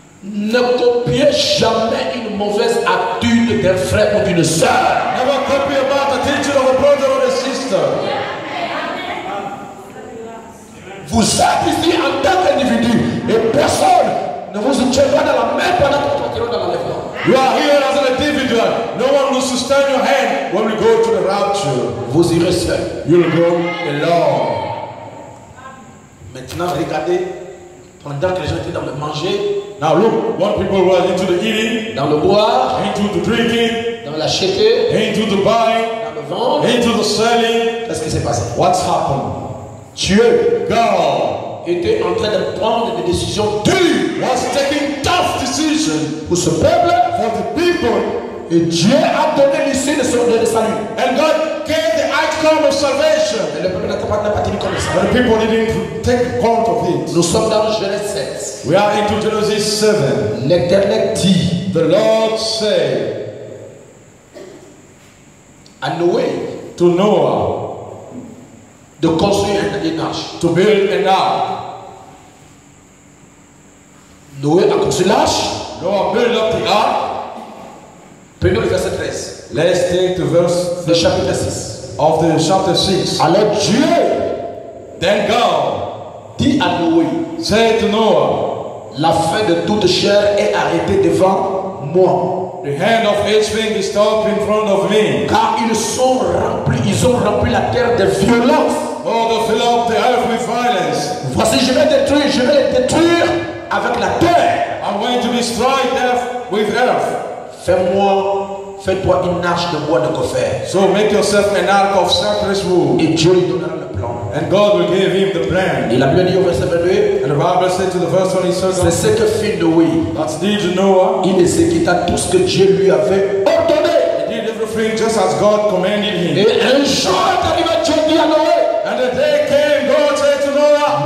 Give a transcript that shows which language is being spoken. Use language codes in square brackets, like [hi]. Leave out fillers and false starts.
[fr] Ne copiez jamais une mauvaise attitude d'un frère ou d'une sœur. [en] Never copy a bad attitude of a brother or a sister. [fr] Vous êtes ici en tant qu'individu et personne ne vous tient pas dans la main pendant que vous partirez dans l'enlèvement. [en] You are here as an individual. No one will sustain your hand when we go to the rapture. [fr] Vous irez seul. [en] You will go alone. [fr] Maintenant, regardez pendant que les gens étaient dans le manger. [en] Now look, what people were into the eating, [fr] dans le boire, [en] into the drinking, [fr] dans l'acheter, [en] into the buying, [fr] dans le vendre, [en] into the selling. [fr] Qu'est-ce qui s'est passé? [en] What's happened? [fr] Dieu, [en] God, [fr] était en train de prendre des décisions dures. [en] Was taking tough decisions [fr] pour ce peuple, [en] for the people. [fr] Et Dieu a donné l'issue de son de salut. [en] And God gave the outcome of salvation. [fr] Mais le peuple n'a pas tenu compte de ça. [en] But the people didn't take count of it. [fr] Nous sommes dans Genèse 7. [en] We are into Genesis 7. [fr] L'Éternel dit, [en] the Lord said, [fr] à Noé, [en] to Noah, [fr] de construire un arche. [en] To build an ark. [fr] Noé a construit l'arche. [en] Noah built up the ark. [fr] Prenons le verset 13. [en] Let's take the verse. [fr] Le chapitre 6. [en] Of the chapter 6. [fr] Alors Dieu, [en] then God, [fr] dit à Noé, [en] said to Noah, [fr] la fin de toute chair est arrêtée devant moi. [en] The hand of each thing is stopped in front of me. [fr] Car ils sont remplis, ils ont rempli la terre de violence. [en] Oh, they fill up the earth with violence. [fr] Voici, je vais les détruire avec la terre. [en] I'm going to destroy death with earth. [fr] Fais-toi une arche de bois de coffer. [en] So make yourself an ark of cypress wood. [fr] Et Dieu lui donnera le plan. [en] And God will give him the plan. [fr] Il a bien dit au verset 22. [en] And the Bible said to the verse 27. [fr] C'est ce que fit Noé. [en] That's did Noah. [fr] Il exécuta tout ce que Dieu lui avait ordonné. [en] He did everything just as God commanded him. [fr] Et un jour est arrivé, Dieu dit à Noé. [en] And the day came, God said to Noah.